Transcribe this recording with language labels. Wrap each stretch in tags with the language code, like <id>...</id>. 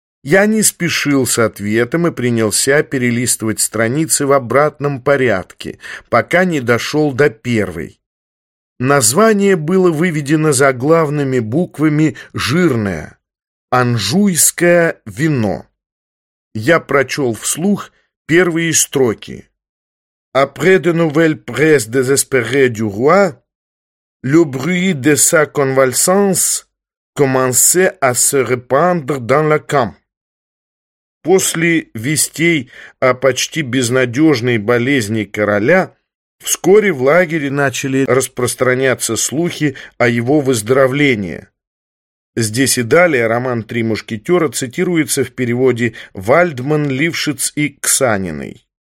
<ru>Я не спешил с ответом и принялся перелистывать страницы в обратном порядке, пока не дошел до первой. Название было выведено заглавными буквами «жирное» — «Анжуйское вино». Я прочел вслух первые строки.</ru> <fr>«Après de nouvelles presses désespérées du roi, le bruit de sa convalescence commençait à se répandre dans le camp».</fr> <ru>После вестей о почти безнадежной болезни короля вскоре в лагере начали распространяться слухи о его выздоровлении. Здесь и далее роман «Три мушкетера» цитируется в переводе «Вальдман, Лившиц и Ксаниной».</ru>